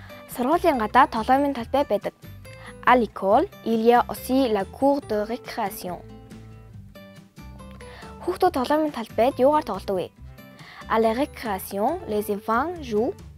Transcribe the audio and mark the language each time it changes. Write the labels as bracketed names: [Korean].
[Mongolian] Сургуулийн гадаа толоомын талбай байдаг. [French] À l'école, il y a aussi la cour de récréation. [Mongolian] Хүүхдүүд толоомын талбайд юугаар тоглодог вэ? [French] À la récréation, les enfants jouent.